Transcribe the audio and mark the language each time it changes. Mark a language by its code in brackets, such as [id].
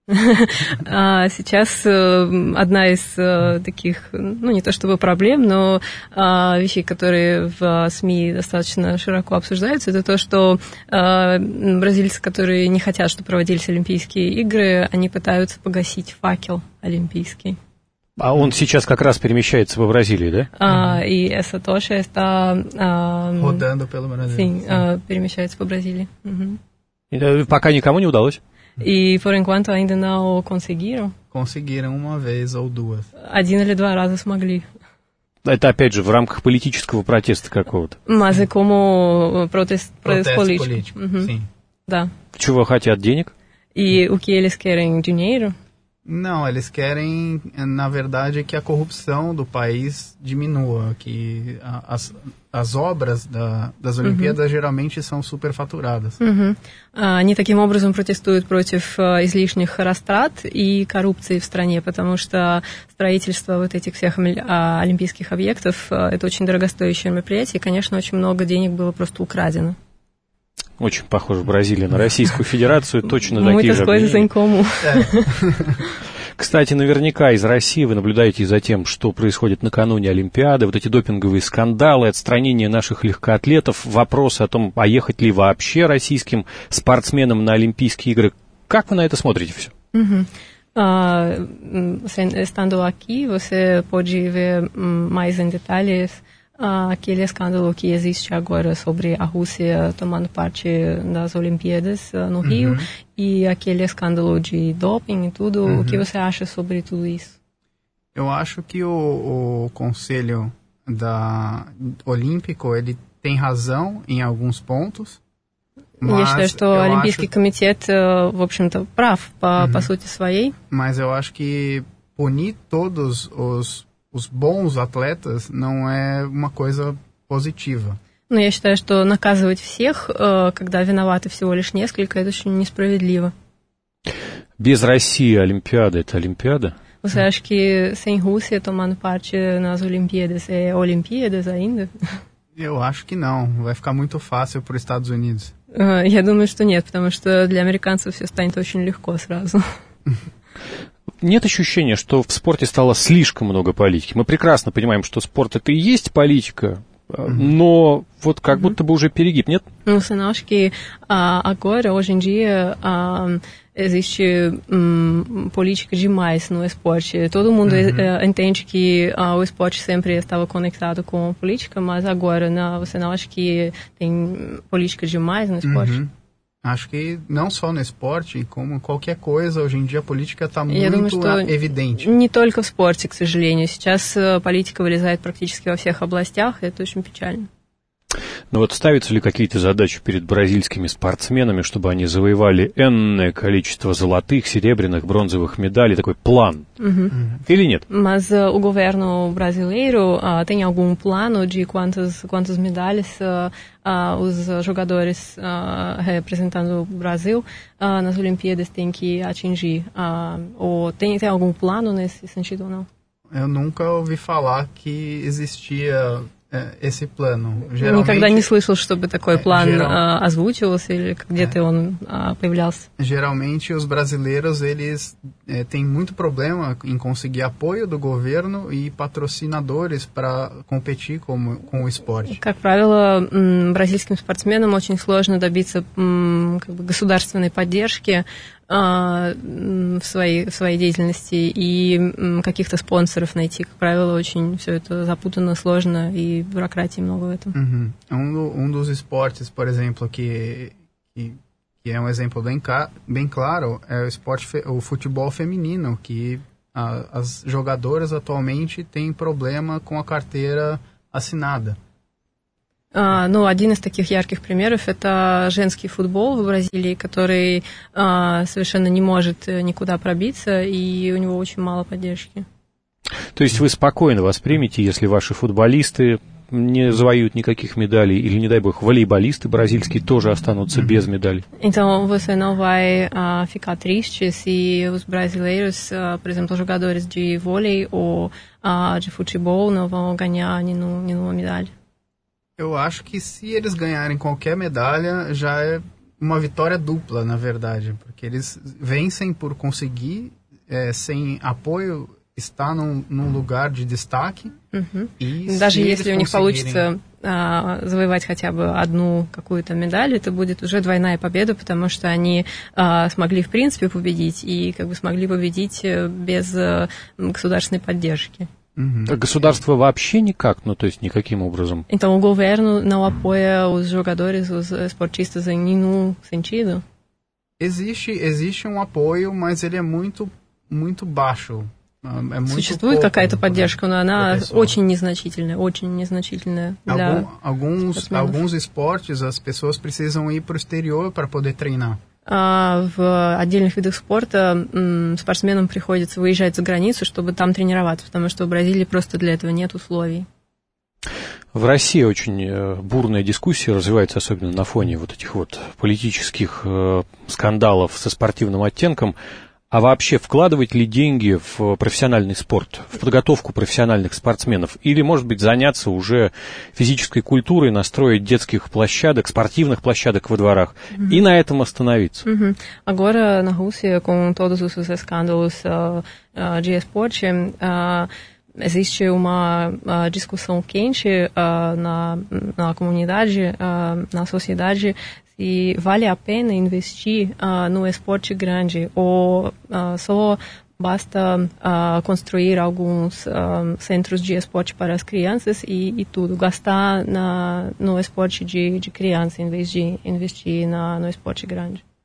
[ru] Сейчас одна из таких, ну, не то чтобы проблем, но вещей, которые в СМИ достаточно широко обсуждаются, это то, что бразильцы, которые не хотят, чтобы проводились Олимпийские игры, они пытаются погасить факел олимпийский. А он сейчас как раз перемещается в Бразилии, да? [pt] И essa tocha está rodando pelo Brasil. [ru] Sim, перемещается по Бразилии. Пока никому не удалось. [pt] E por enquanto ainda não conseguiram? Conseguiram uma vez ou duas. [ru] Один или два раза смогли. Это опять же в рамках политического протеста какого-то. [pt] Mas é como protesto político. Sim. [ru] Да. Чего хотят денег? [pt] И o que eles querem? Dinheiro? Não, eles querem, na verdade, que a corrupção do país diminua, que as obras das Olimpíadas geralmente são superfaturadas. [ru] Они таким образом протестуют против излишних растрат и коррупции в стране, потому что строительство вот этих всех олимпийских объектов это очень дорогостоящее мероприятие, и, конечно, очень много денег было просто украдено. Очень похоже Бразилия на Российскую Федерацию, точно такие же. Мы-то с Коль. Кстати, наверняка из России вы наблюдаете за тем, что происходит накануне Олимпиады, вот эти допинговые скандалы, отстранение наших легкоатлетов, вопросы о том, а ехать ли вообще российским спортсменам на Олимпийские игры. Как вы на это смотрите все? [pt] Estando aqui, você pode ver mais em detalhes. Aquele escândalo que existe agora sobre a Rússia tomando parte das Olimpíadas no Rio e aquele escândalo de doping e tudo, o que você acha sobre tudo isso? Eu acho que o Conselho da Olímpico, ele tem razão em alguns pontos, mas Eu acho que o Olímpico Comitê, [ru] в общем-то, прав, по сути своей. [pt] Mas eu acho que punir todos os bons atletas não é uma coisa positiva. [ru] Но я считаю, что наказывать всех, когда виноваты всего лишь несколько, это очень несправедливо. Без России Олимпиада это Олимпиада? [pt] Você acha que sem Rússia tomando parte nas Olimpíadas é Olimpíadas ainda? Eu acho que não. Vai ficar muito fácil para os Estados Unidos. [ru] Я думаю, что нет, потому что для американцев все станет очень легко сразу. Нет ощущения, что в спорте стало слишком много политики? Мы прекрасно понимаем, что спорт – это и есть политика, но вот как будто бы уже перегиб, нет? Ну, сыночки, [pt] agora, hoje em dia, existe política demais no esporte. Todo mundo entende que o esporte sempre estava conectado com a política, mas agora, você não acha que tem política demais no esporte? Acho que não só no esporte, como qualquer coisa, hoje em dia a política está muito evidente. [ru] Не только в спорте, к сожалению. Сейчас политика вылезает практически во всех областях, и это очень печально. Ну вот ставятся ли какие-то задачи перед бразильскими спортсменами, чтобы они завоевали энное количество золотых, серебряных, бронзовых медалей, такой план? Или нет? [pt] Mas o governo brasileiro tem algum plano de quantas medalhas os jogadores representando o Brasil nas Olimpíadas têm que atingir? Ou tem algum plano nesse sentido ou não? Eu nunca ouvi falar que existia esse plano. [ru] Никогда не слышал, чтобы такой план озвучивался или где-то он появлялся. [pt] Geralmente os brasileiros eles têm muito problema em conseguir apoio do governo e patrocinadores para competir com o esporte. [ru] Как правило, бразильским спортсменам очень сложно добиться как бы государственной поддержки в своей деятельности и каких-то спонсоров найти. Как правило, очень все это запутанно, сложно, и бюрократии много в этом. [pt] Um dos esportes, por exemplo, que é um exemplo bem claro, é o esporte, o futebol feminino, que as jogadoras atualmente têm problema com a carteira assinada. [ru] Ну, один из таких ярких примеров – это женский футбол в Бразилии, который совершенно не может никуда пробиться, и у него очень мало поддержки. То есть вы спокойно воспримете, если ваши футболисты не завоюют никаких медалей, или, не дай бог, волейболисты бразильские тоже останутся без медалей? [pt] Então, você não vai ficar triste se os brasileiros, por exemplo, jogadores de vôlei ou de futebol não vão ganhar nenhuma medalha. Eu acho que se eles ganharem qualquer medalha, já é uma vitória dupla, na verdade. Porque eles vencem por conseguir, sem apoio, estar num lugar de destaque. [ru] Даже если у них получится завоевать хотя бы одну какую-то медаль, это будет уже двойная победа, потому что они смогли, в принципе, победить, и как бы смогли победить без государственной поддержки. Государство вообще никак, ну то есть никаким образом. [pt] Então o governo não apoia os jogadores, os esportistas em nenhum sentido? Existe um apoio, mas ele é muito, muito baixo. É muito [ru] Существует [pt] pouco, [ru] какая-то поддержка, но она очень незначительная для [pt] Alguns esportes, as pessoas precisam ir para o exterior para poder treinar. [ru] в отдельных видах спорта спортсменам приходится выезжать за границу, чтобы там тренироваться, потому что в Бразилии просто для этого нет условий. В России очень бурная дискуссия развивается, особенно на фоне вот этих вот политических скандалов со спортивным оттенком. А вообще, вкладывать ли деньги в профессиональный спорт, в подготовку профессиональных спортсменов? Или, может быть, заняться уже физической культурой, настроить детских площадок, спортивных площадок во дворах, и на этом остановиться? [pt] Agora, na Rússia, com todos os escândalos de esporte, existe uma discussão quente na comunidade, na sociedade, se vale a pena investir no esporte grande ou só basta construir alguns centros de esporte para as crianças e tudo, gastar no esporte de criança em vez de investir no esporte grande.